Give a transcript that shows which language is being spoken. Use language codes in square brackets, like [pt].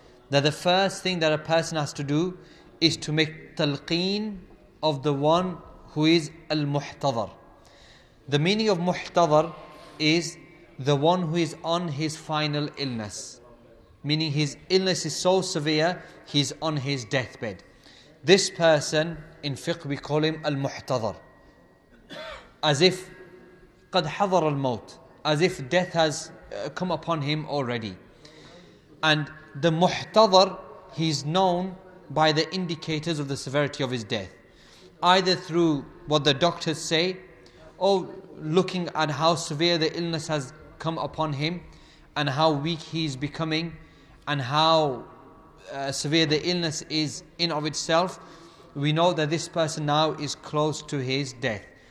[en] That the first thing that a person has to do is to make talqeen of the one who is al-muhtadhar. The meaning of muhtadhar is the one who is on his final illness. Meaning his illness is so severe, he's on his deathbed. This person, in fiqh, we call him al-muhtadhar. As if, [ar] قَدْ حَضَرَ الْمَوْتِ. [en] As if death has come upon him already. And the muhtadhar, he's known by the indicators of the severity of his death. Either through what the doctors say, or looking at how severe the illness has come upon him, and how weak he's becoming, and how severe the illness is in of itself, we know that this person now is close to his death.